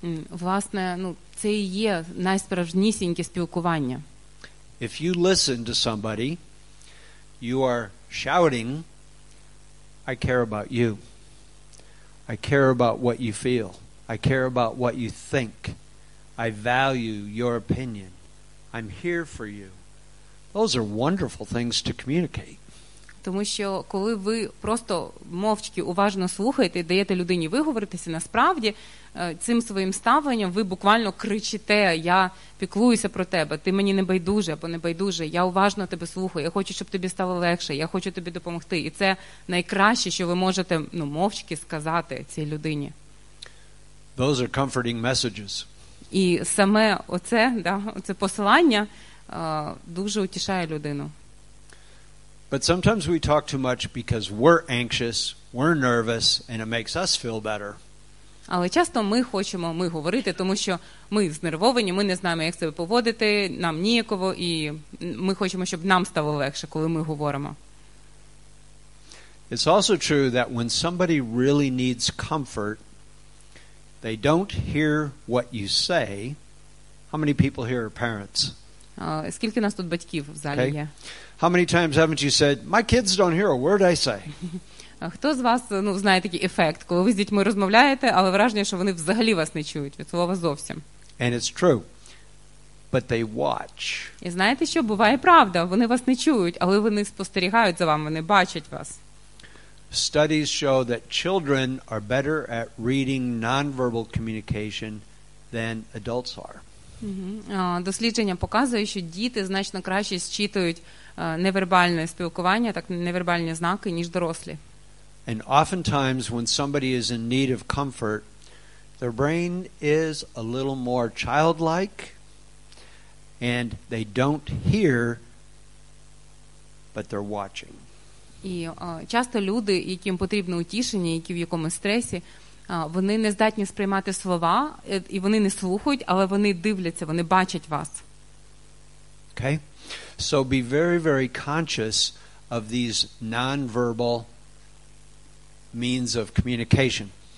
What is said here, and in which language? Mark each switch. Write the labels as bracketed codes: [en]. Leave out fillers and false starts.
[uk] Власне, ну, це і є найсправжнісіньке спілкування. [en] If you listen to somebody, you are shouting, I care about you. I care about what you feel. I care about what you think. I value your opinion. I'm here for you. Those are wonderful things to communicate. [uk] Тому що коли ви просто мовчки уважно слухаєте і даєте людині виговоритися, насправді цим своїм ставленням ви буквально кричите: я піклуюся про тебе, ти мені не байдуже або не байдуже, я уважно тебе слухаю, я хочу, щоб тобі стало легше, я хочу тобі допомогти. І це найкраще, що ви можете, ну, мовчки сказати цій людині. [en] Those are comforting messages. [uk] І саме оце, да, оце посилання дуже утішає людину. [en] But sometimes we talk too much because we're anxious, we're nervous, and it makes us feel better. [uk] Але часто ми хочемо ми говорити, тому що ми знервовані, ми не знаємо, як себе поводити, нам ніяково, і ми хочемо, щоб нам стало легше, коли ми говоримо. [en] It's also true that when somebody really needs comfort, they don't hear what you say. How many people here are parents? [uk] Скільки нас тут батьків в залі є? [en] How many times haven't you said, my kids don't hear a word I say? [uk] Хто з вас, ну, знає такий ефект, коли ви з дітьми розмовляєте, але враження, що вони взагалі вас не чують, від слова зовсім. [en] And it's true. But they watch. [uk] І знаєте що, буває правда, вони вас не чують, але вони спостерігають за вами, вони бачать вас. [en] Studies show that children are better at reading nonverbal communication than adults are. [uk] Дослідження показують, що діти значно краще зчитують невербальне спілкування, так, невербальні знаки, ніж дорослі. [en] And oftentimes when somebody is in need of comfort, their brain is a little more childlike and they don't hear, but they're watching. [uk] І часто люди, яким потрібно утішення, які в якомусь стресі, вони не здатні сприймати слова, і вони не слухають, але вони дивляться, вони бачать вас. [en] Okay. So be very, very conscious of these non-verbal means of communication.